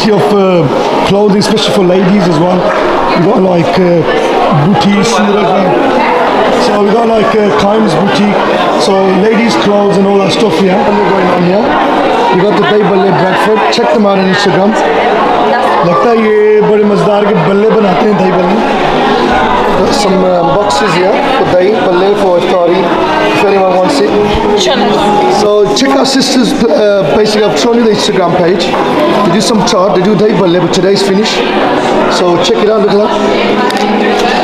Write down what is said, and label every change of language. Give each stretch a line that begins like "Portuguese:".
English: Plenty of clothing, especially for ladies as well. We got like booties. So we got like Kaim's boutique. So ladies' clothes and all that stuff here. What are going on here? We got the Bay Balle Bradford. Check them out on Instagram.
Urdu: لگتا ہے یہ بڑے مزیدار کے بلے بناتے ہیں بے بلے۔
English: Got some boxes here for Bay Balle for iftari. If anyone wants it. So check our sisters. Basically, I've shown you the Instagram page. They do some chart. They do Bay Balle, but today's finished. So check it out. Look at that.